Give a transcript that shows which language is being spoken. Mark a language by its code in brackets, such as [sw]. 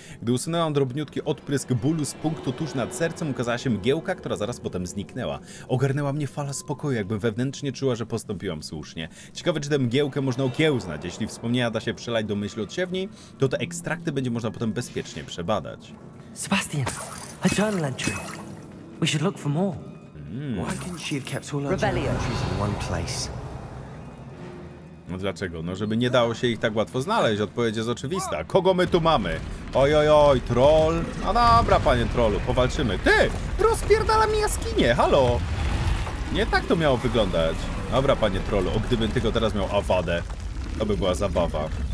[pl] Gdy usunęłam drobniutki odprysk bólu z punktu tuż nad sercem, ukazała się mgiełka, która zaraz potem zniknęła. Ogarnęła mnie fala spokoju, jakby wewnętrznie czuła, że postąpiłam słusznie. Ciekawe, czy tę mgiełkę można okiełznać. Jeśli wspomnienia da się przelać do myśli odsiewni, to te ekstrakty będzie można potem bezpiecznie przebadać. [en] Sebastian, Eternal entry. We should look for more. Mm. Why couldn't she have kept all her entries in one place? [pl] No dlaczego? No żeby nie dało się ich tak łatwo znaleźć. Odpowiedź jest oczywista. Kogo my tu mamy? Oj, oj, oj, troll. No dobra, panie trollu, powalczymy. Ty! Rozpierdalam jaskinie, halo! Nie tak to miało wyglądać. Dobra, panie trollu, o gdybym tylko teraz miał awadę, to by była zabawa.